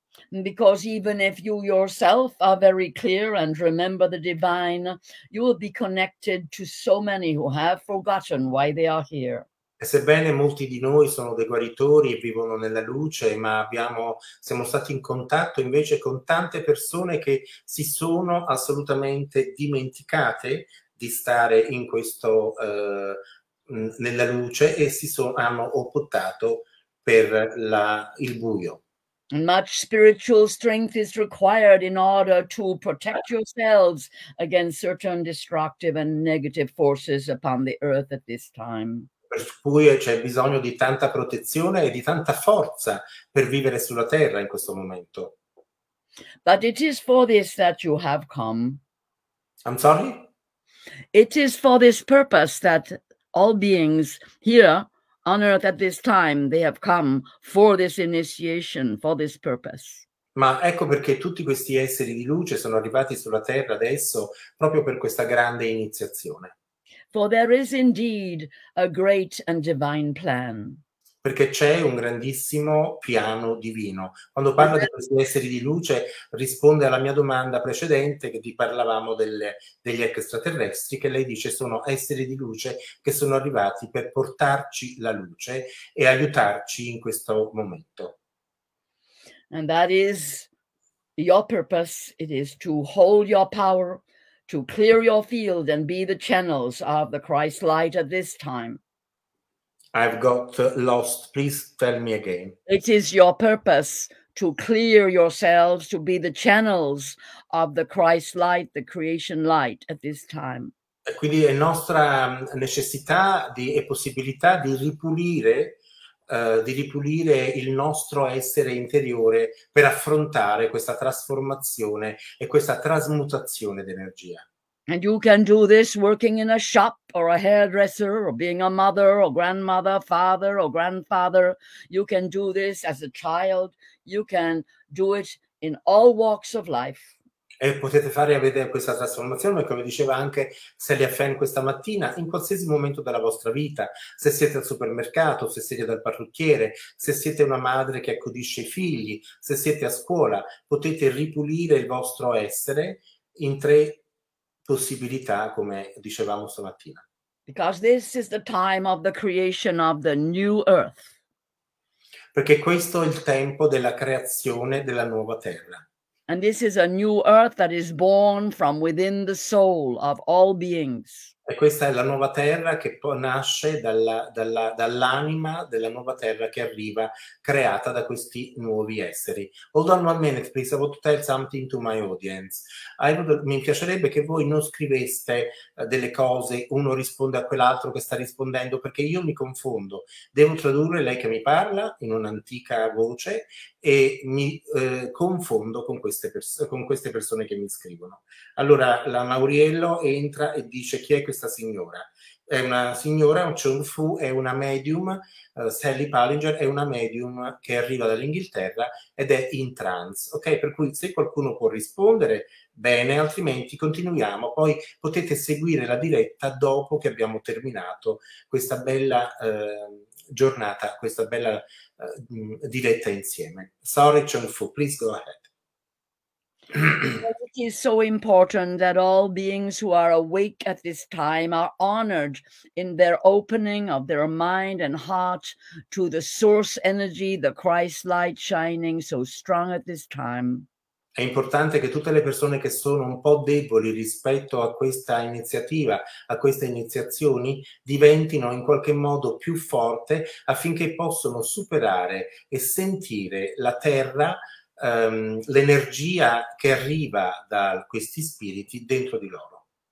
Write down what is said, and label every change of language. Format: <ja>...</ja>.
<en>Because even if you yourself are very clear and remember the divine, you will be connected to so many who have forgotten why they are here.</en> <it>E sebbene molti di noi sono dei guaritori e vivono nella luce, ma siamo stati in contatto invece con tante persone che si sono assolutamente dimenticate di stare in questo nella luce e hanno optato per il buio.</it> <en>Much spiritual strength is required in order to protect yourselves against certain destructive and negative forces upon the earth at this time.</en> <it>Per cui c'è bisogno di tanta protezione e di tanta forza per vivere sulla terra in questo momento.</it> <en>But it is for this that you have come. I'm sorry? It is for this purpose that all beings here on earth at this time, they have come for this initiation, for this purpose.</en> <it>Ma ecco perché tutti questi esseri di luce sono arrivati sulla Terra adesso proprio per questa grande iniziazione.</it> <en>For there is indeed a great and divine plan.</en> <it>Perché c'è un grandissimo piano divino. Quando parlo di questi esseri di luce, risponde alla mia domanda precedente, che vi parlavamo degli extraterrestri, che lei dice sono esseri di luce che sono arrivati per portarci la luce e aiutarci in questo momento.</it> <en>And that is your purpose. It is to hold your power, to clear your field, and be the channels of the Christ light at this time. I've got lost. Please tell me again. It is your purpose to clear yourselves, to be the channels of the Christ light, the creation light at this time.</en> <it>Quindi è nostra necessità e possibilità di ripulire il nostro essere interiore per affrontare questa trasformazione e questa trasmutazione d'energia.</it> <en>And you can do this working in a shop or a hairdresser or being a mother or grandmother, father or grandfather. You can do this as a child. You can do it in all walks of life.</en> <it>E potete fare avete questa trasformazione, come diceva anche Celia Fenn questa mattina, in qualsiasi momento della vostra vita, se siete al supermercato, se siete dal parrucchiere, se siete una madre che accudisce i figli, se siete a scuola, potete ripulire il vostro essere in tre possibilità, come dicevamo stamattina.</it> <en>Because this is the time of the creation of the new earth.</en> <it>Perché questo è il tempo della creazione della nuova terra.</it> <en>And this is a new earth that is born from within the soul of all beings.</en> <it>E questa è la nuova terra che nasce dall'anima della nuova terra che arriva creata da questi nuovi esseri.</it> <en>Hold on 1 minute, please. I want to tell something to my audience.</en> <it>Mi piacerebbe che voi non scriveste delle cose, uno risponde a quell'altro che sta rispondendo, perché io mi confondo. Devo tradurre lei che mi parla in un'antica voce e mi confondo con queste persone che mi scrivono. Allora, la Mauriello entra e dice: chi è questa signora? È una signora, un Chung Fu, è una medium, Sally Pallinger è una medium che arriva dall'Inghilterra ed è in trance. Ok, per cui se qualcuno può rispondere, bene, altrimenti continuiamo. Poi potete seguire la diretta dopo che abbiamo terminato questa bella giornata, questa bella diretta insieme.</it> <en>Sorry, Chung Fu, please go ahead. It is so important that all beings who are awake at this time are honored in their opening of their mind and heart to the source energy, the Christ light shining so strong at this time.</en> <it>È importante che tutte le persone che sono un po' deboli rispetto a questa iniziativa, a queste iniziazioni, diventino in qualche modo più forte affinché possano superare e sentire la terra, l'energia che arriva da questi spiriti dentro di loro.</it>